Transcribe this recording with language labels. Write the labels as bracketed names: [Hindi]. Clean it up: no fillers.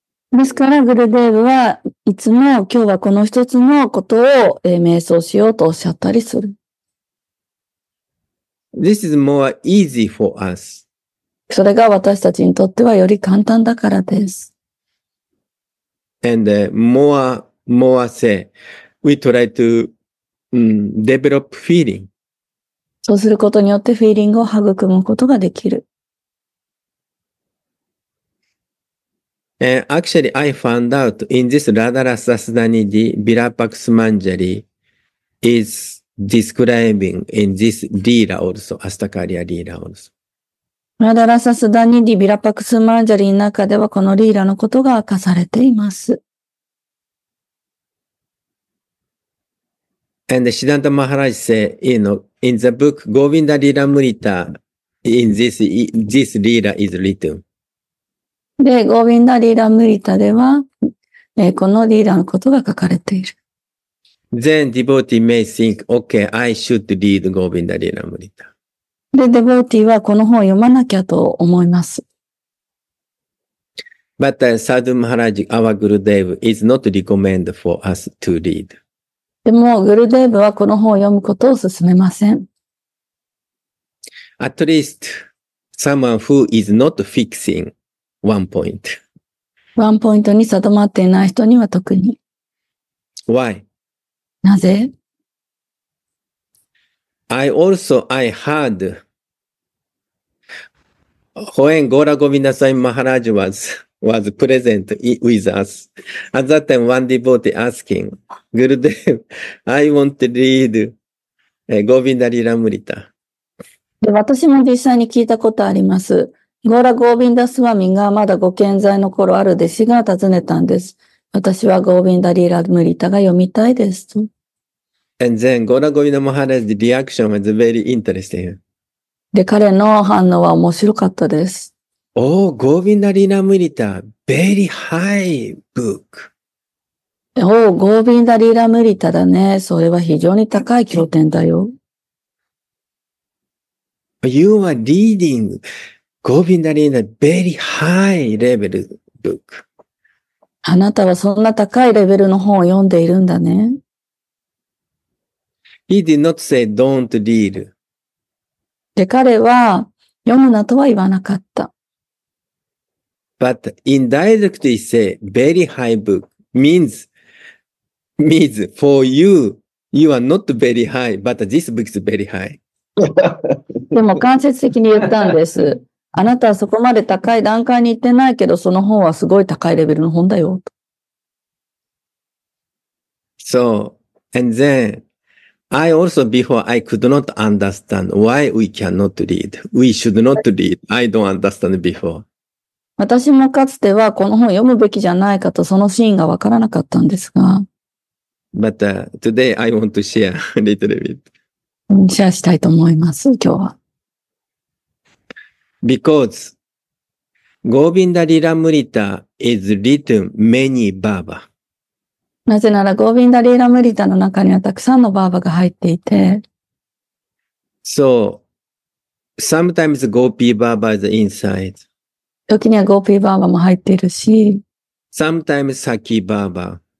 [Japanese] ですから、グルデーブはいつも今日はこの一つのことを瞑想しようとおっしゃったりする。 [English] This is more easy for us. [Japanese] それが私たちにとってはより簡単だからです。 [English] And more say, we try to develop feeling. [Japanese] そうすることによってフィーリングを育むことができる。 [English] Actually, I found out in this Radharasa Sudhanidhi, Virapaksha Manjari is describing in this Leela also, Astakarya Leela also. [Japanese] ラダラサスダニディビラパクスマンジャリの中ではこのリーラのことが明かされています。 [English] And Siddhanta Maharaj say, you know, in the book Govinda Leela Amrita, in this Leela is written. [Japanese] で、Govinda Leela Amrita では、このリーラのことが書かれている。 [English] Then devotee may think, okay, I should read Govinda Leela Amrita. [Japanese] で、デボーティーはこの本を読まなきゃと思います。 [English] But Sadhu Maharaj, our Guru Dev, is not recommended for us to read. [Japanese] でも、グルデーブはこの本を読むことを勧めません。 [English] At least, someone who is not fixing one point. [Japanese] ワンポイントに定まっていない人には特に。 [English] Why? [Japanese] なぜ? [English] I heard when Gaura Govinda Swami Maharaj was present with us. At that time, one devotee asking, Gurudev, I want to read Govinda Leela Amrita. [Japanese] 私も実際に聞いたことあります。 Gaura Govinda Swami がまだご健在の頃ある弟子が訪ねたんです。私は Govinda Leela Amrita が読みたいですと。 [English] And then Gaura Govinda Maharaj's reaction was very interesting. [Japanese] で、彼の反応は面白かったです。 [English] Oh, Govinda Leela Amrita, very high book. [Japanese] Oh, Govinda Leela Amrita だね。それは非常に高い経典だよ。 [English] You are reading Govinda Leela very high level book. [Japanese] あなたはそんな高いレベルの本を読んでいるんだね。 [English] He did not say, don't read. [Japanese] で、彼は読むなとは言わなかった。 [English] But indirectly say, very high book means for you, you are not very high, but this book is very high. [Japanese] でも間接的に言ったんです。あなたはそこまで高い段階に行ってないけど、その本はすごい高いレベルの本だよ。と。 [English] So, and then,I also before I could not understand why we cannot read. We should not read. I don't understand before. [Japanese] 私もかつてはこの本を読むべきじゃないかとそのシーンがわからなかったんですが。 [English] But today I want to share a little bit. [Japanese] シェアしたいと思います、今日は。 [English] Because Govinda Leela Amrita is written many Baba. [Japanese] なぜなら、ゴービンダリーラムリタの中にはたくさんのバーバが入っていて。 [English] So, sometimes Gopi Baba is inside. [Japanese] 時にはゴーピーバーバも入っているし。 [English] Sometimes Saki Baba.